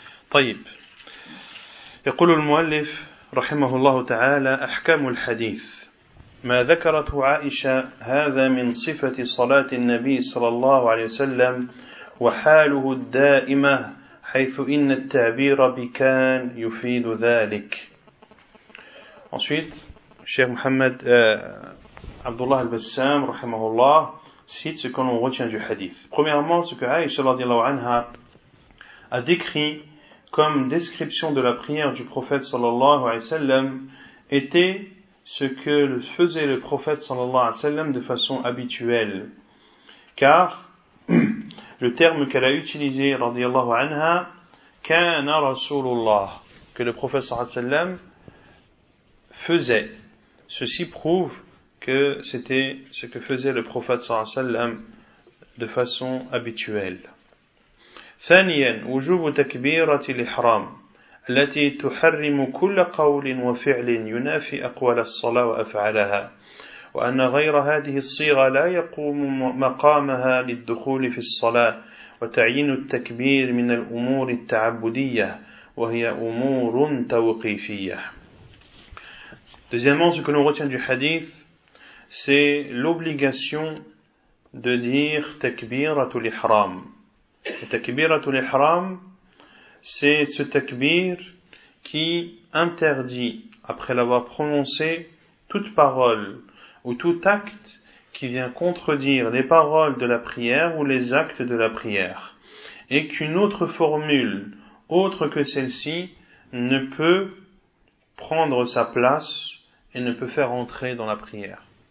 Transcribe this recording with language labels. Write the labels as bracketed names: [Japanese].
[Arabic] طيب يقول المؤلف رحمه الله تعالى أحكام الحديث ما ذكرته عائشة هذا من صفة صلاة النبي صلى الله عليه وسلم وحاله الدائمة حيث إن التعبير بكان يفيد ذلك. [French] Ensuite, Cheikh Mohamed Abdullah al-Bassam, [Arabic] رحمه الله, [French] cite ce qu'on retient du hadith. Premièrement, ce que Aïcha [Arabic] radiallahu anha [French] a décrit comme description de la prière du prophète [Arabic] sallallahu alayhi wa sallam [French] était ce que faisait le prophète sallallahu alayhi wa sallam de façon habituelle. Car le terme qu'elle a utilisé, radiyallahu anha, « [Arabic] kana rasulullah [French] », que le prophète sallallahu alayhi wa sallam faisait. Ceci prouve que c'était ce que faisait le prophète [Arabic] sallallahu alayhi wa sallam [French] de façon habituelle. [Arabic] Thaniyan, wujubu takbirati l'ihram, التي تحرم كل قول وفعل ينافي أقوال الصلاة وأفعالها وأن غير هذه الصيغة لا يقوم مقامها للدخول في الصلاة وتعيين التكبير من الأمور التعبدية وهي أمور توقيفية. [French] Deuxièmement, ce que nous retient du hadith, c'est l'obligation de dire takbiratul ihram. Takbiratul ihram, c'est ce takbir qui interdit, après l'avoir prononcé, toute parole ou tout acte qui vient contredire les paroles de la prière ou les actes de la prière, et qu'une autre formule, autre que celle-ci, ne peut prendre sa place et ne peut faire entrer dans la prière.